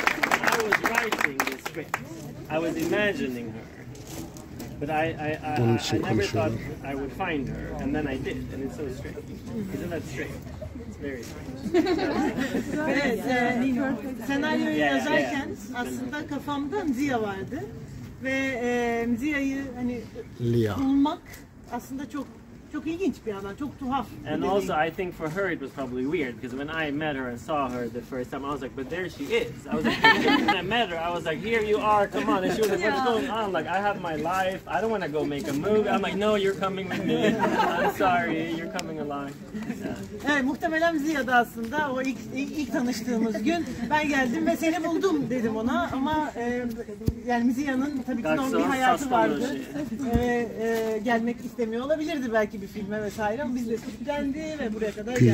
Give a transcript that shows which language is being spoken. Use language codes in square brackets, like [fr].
[en] I was imagining her, but I never thought I would find her, and then I did, and it's so strange. Isn't that strange? It's very strange. [tr] Evet, Nino, senaryoyu yazarken aslında kafamda Mzia vardı ve Mzia'yı bulmak aslında çok çok ilginç bir alan, çok tuhaf. [en] And also, I think for her it was probably weird because when I met her and saw her the first time, I was like, "But there she is!" I was like, when I met her, I was like, "Here you are, come on!" And she was like, "What's going on? Like, I have my life. I don't want to go make a move." I'm like, "No, you're coming with me. I'm sorry, you're coming along." Yeah. [tr] Evet, muhtemelen Ziya'da aslında o ilk tanıştığımız gün ben geldim ve seni buldum dedim ona ama yani Ziya'nın tabii ki normal bir hayatı vardı. Gelmek istemiyor olabilirdi belki bir filme vesaire ama biz de sürüklendi ve buraya kadar geldik.